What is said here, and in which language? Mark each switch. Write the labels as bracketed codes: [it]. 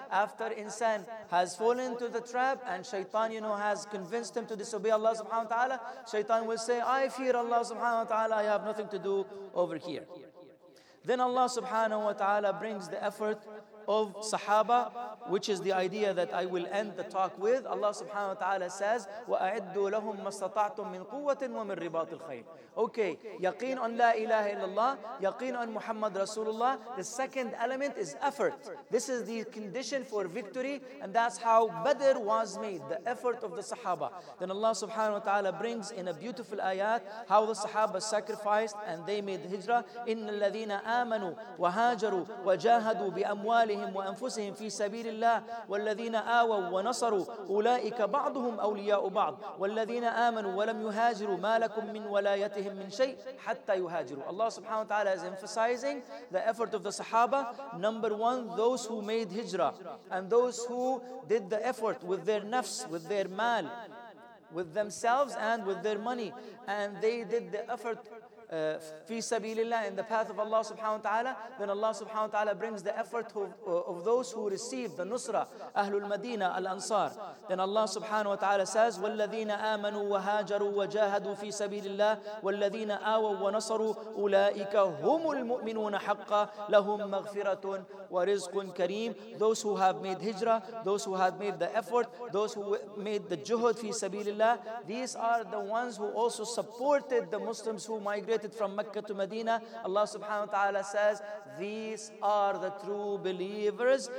[en] After insan has fallen into the trap and shaitan, you know, has convinced him to disobey Allah subhanahu wa ta'ala, shaitan will say, I fear Allah subhanahu wa ta'ala. I have nothing to do over here. Then Allah subhanahu wa ta'ala brings the effort of sahaba, which is the idea that I will end the talk with. Allah subhanahu wa ta'ala says, [ar] وَأَعِدُّوا لَهُمْ مَا اسْتَطَعْتُمْ مِنْ قُوَّةٍ وَمِنْ رِبَاطِ الْخَيْلِ. [en] Okay, yaqeen on la ilaha illallah, yaqeen on Muhammad Rasulullah. The second element is effort. This is the condition for victory, and that's how Badr was made, the effort of the sahaba. Then Allah subhanahu wa ta'ala brings in a beautiful ayat how the sahaba sacrificed and they made hijrah. [ar] إِنَّ الَّذِينَ آمَنُوا وَهَاجَرُوا وَجَاهَدُوا بِأَمْوَالِ وأنفسهم في سبيل الله والذين آووا ونصروا أولئك بعضهم أولياء بعض والذين آمنوا ولم يهاجروا ما لكم من ولايتهم من شيء حتى يهاجروا. [en] Allah subhanahu wa ta'ala is emphasizing the effort of the sahaba. Number one, those who made hijrah and those who did the effort with their nafs, with their mal, with themselves and with their money, and they did the effort [ar] في سبيل الله, [en] in the path of Allah subhanahu wa ta'ala. Then Allah subhanahu wa ta'ala brings the effort of those who receive the nusra, Ahlul Madina, Al-Ansar. Then Allah subhanahu wa ta'ala says, [ar] وَالَّذِينَ آمَنُوا وَهَاجَرُوا وَجَاهَدُوا فِي سَبِيلِ اللَّهِ وَالَّذِينَ آوَوا وَنَصَرُوا أُولَٰئِكَ هُمُ الْمُؤْمِنُونَ حَقَّ لَهُمْ مَغْفِرَةٌ وَرِزْقٌ كَرِيمٌ. [en] Those who have made hijrah, those who have made the effort, those who made the juhud [ar] في سبيل الله, [en] these are the ones who also supported the Muslims who migrated from Mecca to Medina. Allah subhanahu wa ta'ala says, these are the true believers.